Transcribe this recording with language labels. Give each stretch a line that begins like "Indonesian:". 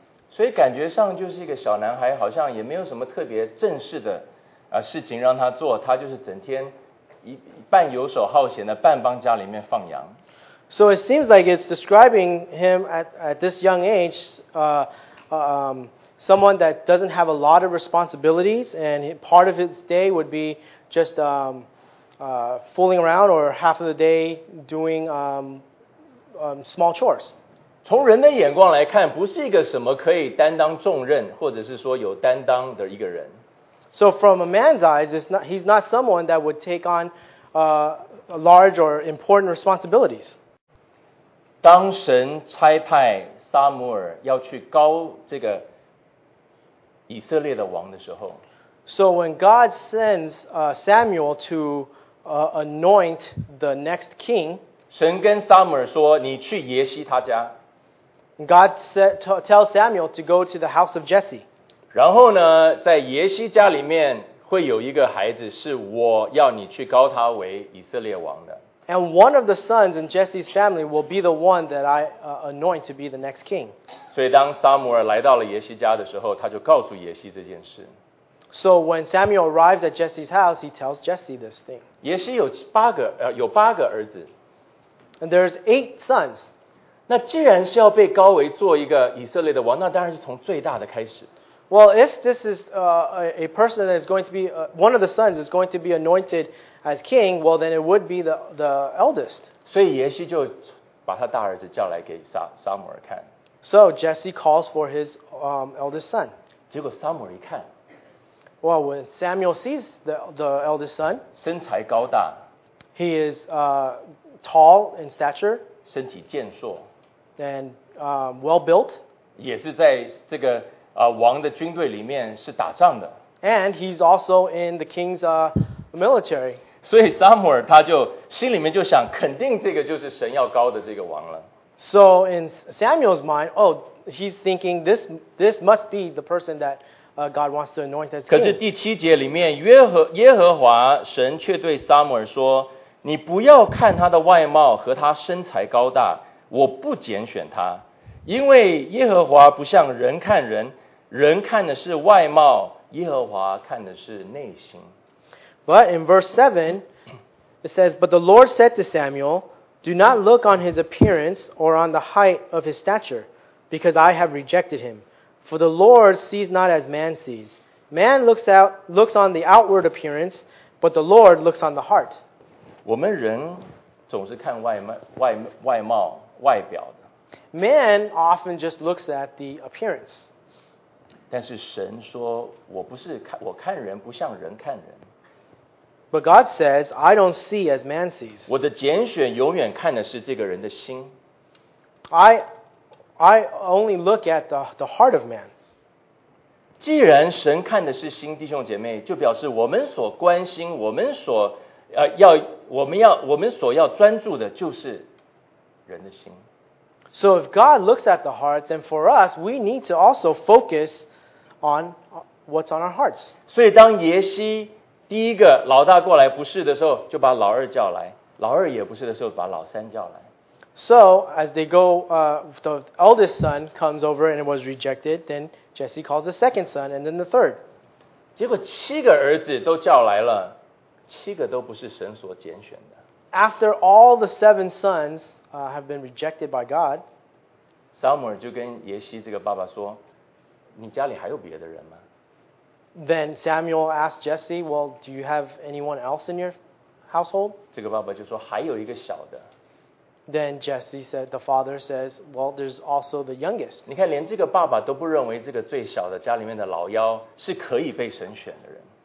Chinese: 所以感觉上就是一个小男孩，好像也没有什么特别正式的事情让他做，他就是整天。半游手好闲的，半帮家里面放羊。
English: So it seems like it's describing him at this young age, someone that doesn't have a lot of responsibilities, and part of his day would be just fooling around, or half of the day doing small chores.
Chinese: 从人的眼光来看，不是一个什么可以担当重任，或者是说有担当的一个人。
English: So from a man's eyes, he's not someone that would take on large or important responsibilities.
Chinese: 当神差派撒母耳要去膏这个以色列的王的时候
English: So when God sends Samuel to anoint the next king,
Chinese: 神跟撒母耳说你去耶西他家
English: God tells Samuel to go to the house of Jesse.
Chinese: 然后呢，在耶西家里面会有一个孩子，是我要你去膏他为以色列王的。
English: And one of the sons in Jesse's family will be the one that I anoint to be the next king.
Chinese: 所以当撒母耳来到了耶西家的时候，他就告诉耶西这件事。
English: So when Samuel arrives at Jesse's house, he tells Jesse this thing.
Chinese: 耶西有八个儿子。
English: And there's eight sons.
Chinese: 那既然是要被膏为做一个以色列的王，那当然是从最大的开始。
English: Well, if this is a person that is going to be, one of the sons is going to be anointed as king, well, then it would be the eldest.
Chinese: 所以耶西就把他大儿子叫来给撒母耳看。
English: So Jesse calls for his eldest son.
Chinese: 结果撒母耳一看。
English: Well, when Samuel sees the eldest son,
Chinese: 身材高大。
English: He is tall in stature.
Chinese: 身体健硕。
English: And well-built.
Chinese: 也是在这个王的军队里面是打仗的。
English: And he's also in the king's military.
Chinese: 所以撒母耳他就心里面就想肯定这个就是神要高的这个王了。
English: So in Samuel's mind, oh, he's thinking this must be the person that God wants to anoint as king.
Chinese: 可是第七节里面，耶和华神却对撒母耳说：“你不要看他的外貌和他身材高大，我不拣选他，因为耶和华不像人看人，人看的是外貌，耶和华看的是内心。”
English: But in verse 7, it says, "But the Lord said to Samuel." Do not look on his appearance or on the height of his stature, because I have rejected him. For the Lord sees not as man sees. Man looks on the outward appearance, but the Lord looks on the heart.
Chinese: 我们人总是看外貌、外表的。
English: Man often just looks at the appearance.
Chinese: 但是神说，我不是看，我看人不像人看人。
English: But God says, I don't see as man sees.
Chinese: 我的拣选永远看的是这个人的心。
English: I only look at the heart of man.
Chinese: 既然神看的是心，弟兄姐妹，就表示我们所关心，我们所要专注的就是人的心。
English: So if God looks at the heart, then for us, we need to also focus on what's on our hearts.
Chinese: 所以当耶西第一个老大过来不是的时候，就把老二叫来；老二也不是的时候，把老三叫来。
English: So as they go, the eldest son comes over and was rejected. Then Jesse calls the second son and then the third.
Chinese: 结果七个儿子都叫来了，七个都不是神所拣选的。
English: After all the seven sons have been rejected by God,
Chinese: 撒母耳就跟耶西这个爸爸说：“你家里还有别的人吗？”
English: Then Samuel asked Jesse, well, do you have anyone else in your household?
Chinese: 这个爸爸就说还有一个小的。
English: Then Jesse said, the father says, well, there's also the youngest.
Chinese: 你看连这个爸爸都不认为这个最小的家里面的老幺是可以被神选的人。